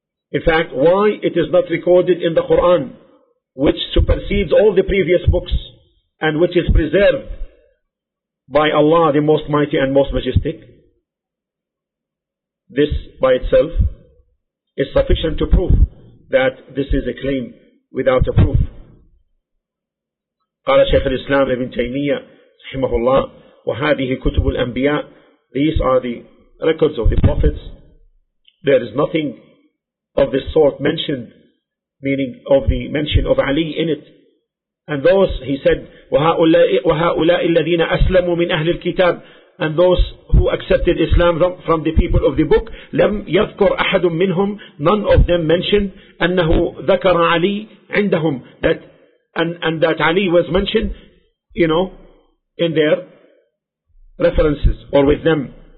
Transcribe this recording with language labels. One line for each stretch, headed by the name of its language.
English: In fact, why it is not recorded in the Quran, which supersedes all the previous books and which is preserved by Allah, the Most Mighty and Most Majestic? This by itself is sufficient to prove that this is a claim without a proof.
Arabic: قال شيخ الإسلام ابن تيمية رحمه الله وهذه كتب الأنبياء.
English: These are the records of the prophets. There is nothing of this sort mentioned, meaning of the mention of Ali in it. And those, he said,
Arabic: وَهَؤُلَاءِ الَّذِينَ أَسْلَمُوا مِنْ أَهْلِ الْكِتَابِ,
English: and those who accepted Islam from the people of the book,
Arabic: لَمْ يَذْكُرْ أَحَدٌ مِّنْهُمْ,
English: none of them mentioned
Arabic: أَنَّهُ ذَكَرَ عَلِي عِنْدَهُمْ,
English: that and that Ali was mentioned, you know, in their references or with them.